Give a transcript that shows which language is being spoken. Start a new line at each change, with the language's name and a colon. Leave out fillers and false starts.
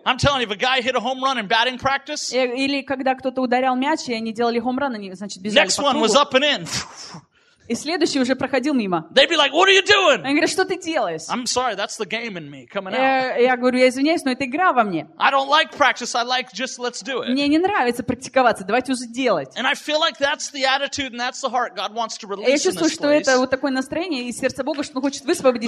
English: I'm telling you, if a guy hit a home run in batting practice.
Russian: Или когда кто-то ударял мяч, и они делали хоумран, они, значит, бежали.
English: Next one was up and in.
Russian: И следующий уже проходил мимо.
English: They'd be like, "What are you doing?"
Russian: Они говорят, что ты делаешь?
English: I'm sorry, that's the game in me coming out.
Russian: Я говорю, я извиняюсь, но это игра во мне.
English: I don't like practice. I like just let's do it.
Russian: Мне не нравится практиковаться. Давайте уже делать.
English: And I feel like that's the attitude and that's the heart God wants to release.
Russian: Я чувствую, что это вот такое настроение из сердца Бога, что Он хочет высвободить